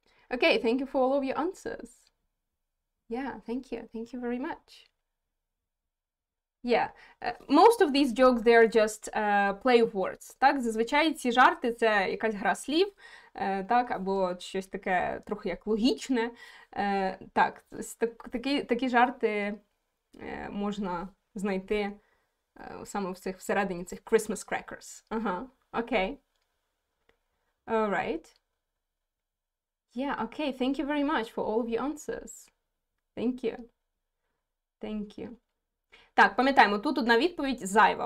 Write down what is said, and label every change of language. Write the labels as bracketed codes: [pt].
[en] Okay, thank you for all of your answers. Yeah, thank you very much. Yeah, most of these jokes, they are just play of words. [uk] Так, зазвичай ці жарти – це якась гра слів, так, або щось таке трохи як логічне. Так, такі жарти можна знайти саме в цих, всередині цих Christmas crackers. Окей. [en] All right. Yeah, okay, thank you very much for all of your answers. Thank you. Thank you. [uk] Так, пам'ятаємо, тут одна відповідь зайва.